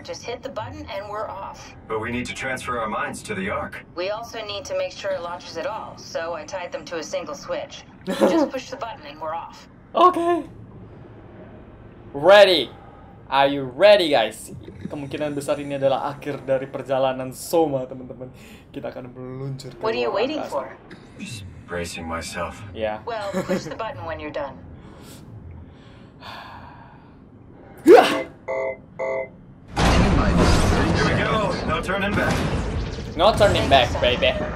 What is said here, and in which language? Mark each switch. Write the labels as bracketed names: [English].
[English] Just hit the button and we're off. But we need to transfer our minds to the Ark. We also need to make sure it launches at all, so I tied them to a single switch. Just push the button and we're off. Okay. Ready. Are you ready, guys? [Indonesian] Kemungkinan besar ini adalah akhir dari perjalanan Soma, teman-teman. Kita akan meluncur ke [English] What are you waiting for? Just bracing myself. Yeah. Well, push the button when you're done. Here we go. No turning back. No turning back, baby.